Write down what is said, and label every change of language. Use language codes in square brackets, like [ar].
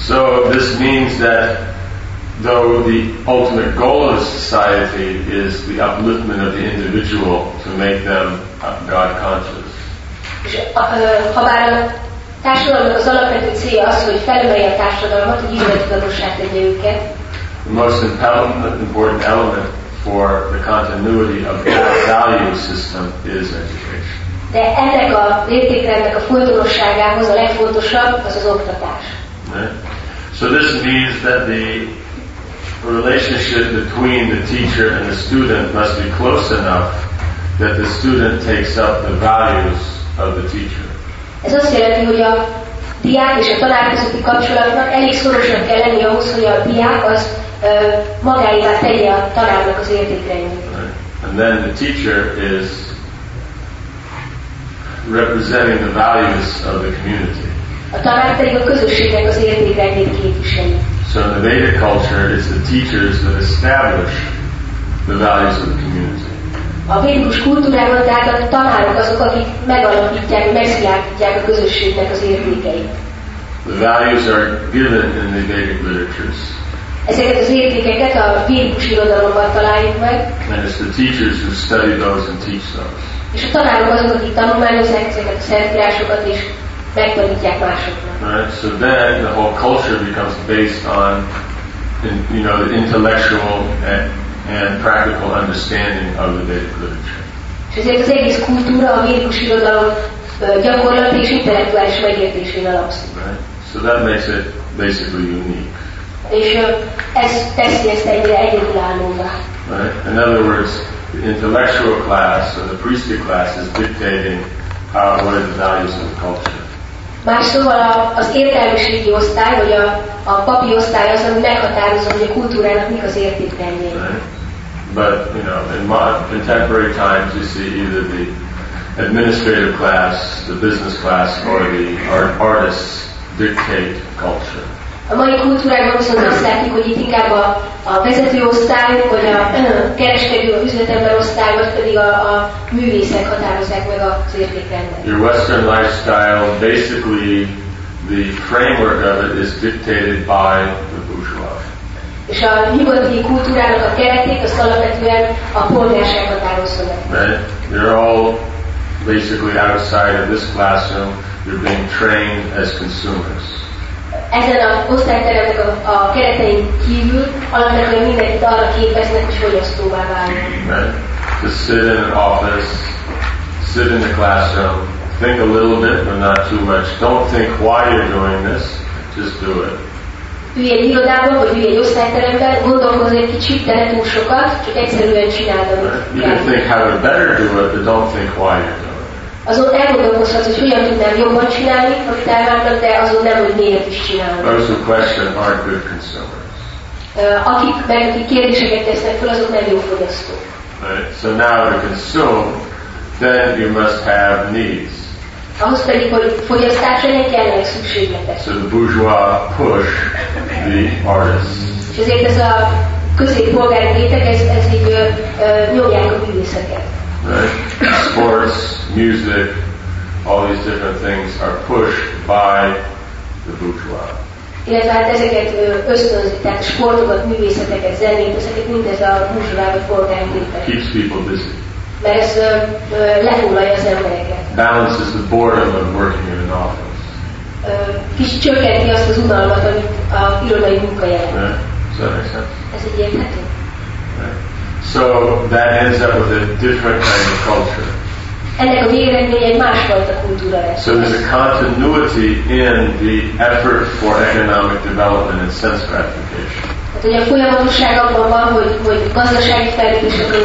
[en] So this means that though the ultimate goal of society is the upliftment of the individual to make them God conscious. [hu] Ha bár a társadalomnak az alapvető célja az, hogy felemelje a társadalmat, hogy ismeri tudatosságot tegye őket. [en] The most important element for the continuity of the value system is education. [hu] De ennek a értékrendnek a folytonosságához a legfontosabb az az oktatás. [en] So this means that the relationship between the teacher and the student must be close enough that the student takes up the values of the teacher. [hu] Ez azt jelenti, hogy a diák és a tanár közötti kapcsolatnak elég szorosan kell lenni ahhoz, hogy a diák az magáévá tegye a tanárnak az értékrendjét. [en] Right. And then the teacher is representing the values of the community. [hu] A tanár pedig a közösségnek az értékrendjét képviseli. [en] So in the Vedic culture, it's the teachers that establish the values of the community. [hu] A védikus kultúrában tehát a tanárok azok, akik megalapítják, megszilárdítják a közösségnek az értékeit. [en] The values are given in the Vedic literatures. [hu] Ezeket az értékeket a védikus irodalomban találjuk meg. [en] And it's the teachers who study those and teach those. [hu] És a tanárok azok, akik tanulmányozzák ezeket a szentírásokat és megtanítják másoknak. [en] Right, so then the whole culture becomes based on the intellectual and practical understanding of the Vedic literature. [hu] És ezért az egész kultúra a védikus irodalom gyakorlati és intellektuális megértésén alapszik. [en] So that makes it basically unique. [hu] És ez teszi ezt egyre egyedülállóvá. [en] In other words, the intellectual class or the priestly class is dictating what are the values of the culture. [hu] Más szóval az értelmiségi osztály, vagy a papi osztály az, ami meghatározó, hogy a kultúrának mik az értékrendjei. [en] But you know, in modern contemporary times, you see either the administrative class, the business class, or the artists dictate culture. [hu] A mai kultúrában viszont azt látjuk, hogy itt inkább a vezető osztály, vagy a kereskedő, a üzletember osztály, vagy pedig a művészek határozzák meg az értékrendet. [en] Your Western lifestyle, basically, the framework of it is dictated by the bourgeois. [hu] És a nyugati kultúrának a keretét, azt alapvetően a polgárság határozza meg. [en] Right? You're all basically outside of this classroom, you're being trained as consumers. [hu] Ezen az osztályteremnek a keretein kívül alapvetően mindenkit arra képeznek, hogy fogyasztóvá váljon. [en] To sit in an office, sit in the classroom, think a little bit, but not too much. Don't think why you're doing this, just do it. [hu] Ülj egy irodában, vagy ülj egy osztályteremben, gondolkozz egy kicsit, de ne túl sokat, csak egyszerűen csináld, amit kell. [en] You can think how to better do it, but don't think why you're doing it. [hu] Azon elgondolkozhatsz, hogy hogyan tudnám jobban csinálni, amit elvártak, de azon nem, hogy miért is csinálom. [en] Those who question aren't good consumers. [hu] Akik meg, akik kérdéseket tesznek fel, azok nem jó fogyasztók. [en] Right. So now to consume, then you must have needs. [hu] Ahhoz pedig, hogy fogyasztás legyen, kellene szükségletek. [en] So the bourgeois push the artists. [hu] És ezért ez a középpolgári réteg, ez így nyomják a művészeket. [en] Right. Sports, music, all these different things are pushed by the bourgeois. [hu] Hát ezeket ösztönzi, tehát sportokat, művészeteket, zenét, ezeket mind ez a bourgeois vagy polgári réteg. [en] Keeps people busy. [hu] Mert ez lefoglalja az embereket. [en] Balances the boredom of working in an office. [hu] Kis csökkenti azt az unalmat, amit a irodai munka jelent. Ez egy érthető. [en] So that ends up with a different kind of culture. [hu] Ennek a végeredménye egy másfajta kultúra lesz. [en] So there's a continuity in the effort for economic development and sense gratification. [hu] Hát ugye a folyamatosság abban van, hogy gazdasági fejlődés a